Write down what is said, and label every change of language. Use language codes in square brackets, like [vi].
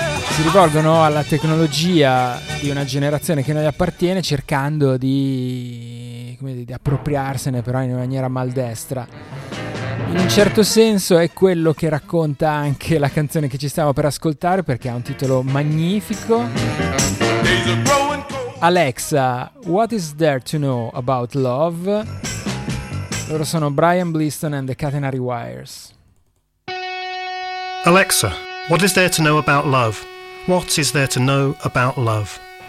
[it] Si rivolgono alla tecnologia di una generazione che non gli appartiene, cercando di, come dire, di appropriarsene, però in maniera maldestra. In un certo senso è quello che racconta anche la canzone che ci stiamo per ascoltare, perché ha un titolo magnifico. [en] Alexa, what is there to know about love? [it] Loro sono Brian Bliston [en] and the Catenary Wires. Alexa, what is there to know about love? What is there to know about love?